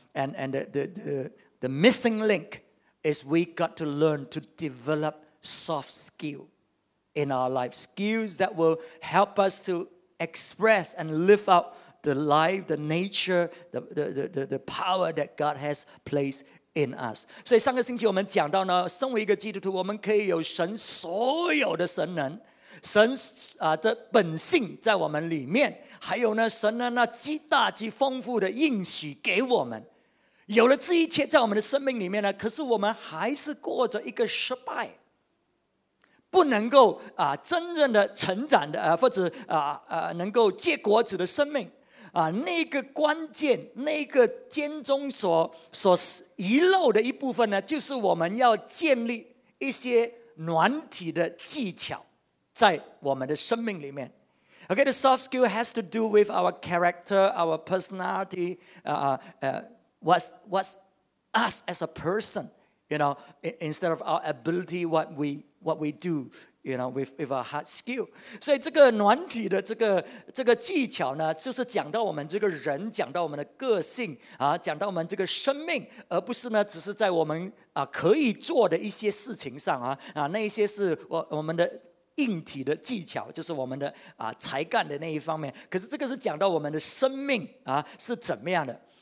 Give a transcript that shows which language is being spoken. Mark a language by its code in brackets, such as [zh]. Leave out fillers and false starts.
[en] And the missing link is we got to learn to develop soft skill in our life. Skills that will help us to express and live out the life, the nature, the power that God has placed in us. [zh] 所以上个星期我们讲到呢, 身为一个基督徒, 我们可以有神所有的神能, 神, 的本性在我们里面, 还有呢, 神呢那极大极丰富的应许给我们, 有了这一切在我们的生命里面呢, 可是我们还是过着一个失败, 不能够, 真正的成长的, 或者, 能够结果子的生命, 那个关键, 那个间中所, 遗漏的一部分呢, 就是我们要建立一些软体的技巧, 在我们的生命里面。 [en] Okay, the soft skill has to do with our character, our personality, what's us as a person, you know, instead of our ability, what we do, you know, with our hard skill. [zh] 所以这个软体的这个技巧呢, 就是讲到我们这个人, 讲到我们的个性, 讲到我们这个生命, 而不是呢, 只是在我们, 可以做的一些事情上, 那一些是我们的 硬体的技巧, 就是我们的, 才干的那一方面, 可是这个是讲到我们的生命, 是怎么样的。